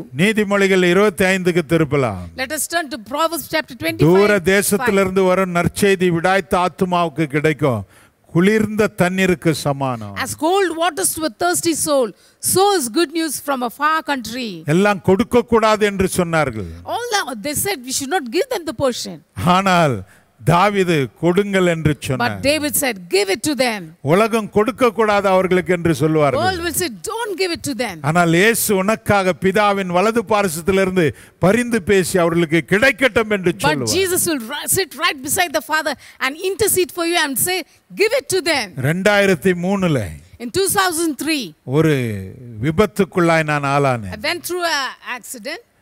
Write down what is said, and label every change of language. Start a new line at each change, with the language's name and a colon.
Tamil: நீதிமொழிகள் 25க்கு திருப்பலாம்.
English: Let us turn to Proverbs chapter 25.
Tamil: தூர தேசத்திலிருந்து வரும் நற்செய்தி விடாய்த்த ஆத்துமா கிடைக்கும் குளிர்ந்த தண்ணீருக்கு சமானம்.
English: As cold waters to a thirsty soul, so is good news from a far country.
Tamil: எல்லாம் கொடுக்க கூடாது என்று சொன்னார்கள்.
English: All that they said we should not give them the portion.
Tamil: ஆனால் தாவீது கொடுங்கள் என்று சொன்னார்.
English: But David said give it to them.
Tamil: உலகம் கொடுக்க கூடாது அவர்களுக்கு என்று சொல்வார்கள்.
English: All will say don't give it to them.
Tamil: ஆனால் இயேசு உனக்காக பிதாவின் வலது பாரசத்திலிருந்து பரிந்து பேசி அவர்களுக்கு கிடைக்கட்டும் என்று சொல்வார்.
English: But Jesus will sit right beside the father and intercede for you and say give it to them. 2003 In 2003
Tamil: ஒரு விபத்துக்குள்ளாய் நான் ஆளானேன்.
English: I went through an accident.